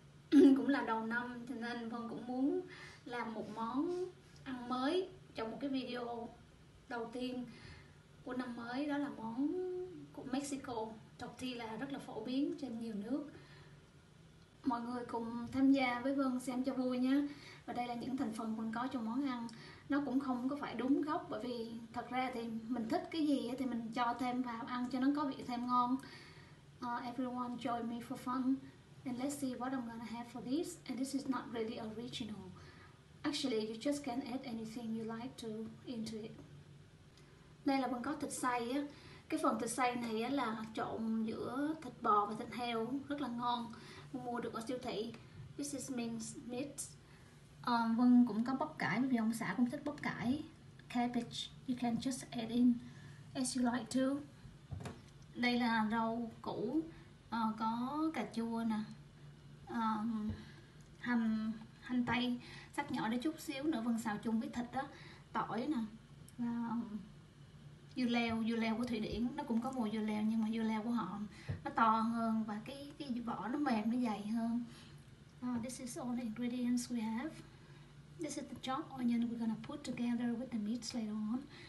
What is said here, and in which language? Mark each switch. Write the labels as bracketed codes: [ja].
[vi] Cũng là đầu năm cho nên con cũng muốn làm một món ăn mới trong một cái video đầu tiên của năm mới, đó là món của Mexico, tortilla rất là phổ biến trên nhiều nước. Mọi người cùng tham gia với Vân xem cho vui nhé. Và đây là những thành phần mình có trong món ăn. Nó cũng không có phải đúng gốc, bởi vì thật ra thì mình thích cái gì thì mình cho thêm vào ăn cho nó có vị thêm ngon. [en] Everyone join me for fun and let's see what I'm gonna have for this. And this is not really original. Actually, you just can add anything you like to into it. [vi] Đây là mình có thịt xay á. Cái phần thịt xay này á, là trộn giữa thịt bò và thịt heo rất là ngon, mua được ở siêu thị. [en] This is minced meat. [vi] Vân cũng có bắp cải, bởi vì ông xã cũng thích bắp cải. [en] Cabbage, you can just add in as you like to. [vi] Đây là rau củ, có cà chua nè, hành hành tây cắt nhỏ để chút xíu nữa Vân xào chung với thịt đó, tỏi nè, dưa leo của Thụy Điển, nó cũng có mùi dưa leo nhưng mà dưa leo của họ nó to hơn và cái vỏ nó mềm, nó dày hơn. [en] This is all the ingredients we have. This is the chopped onion we're gonna put together with the meats later on.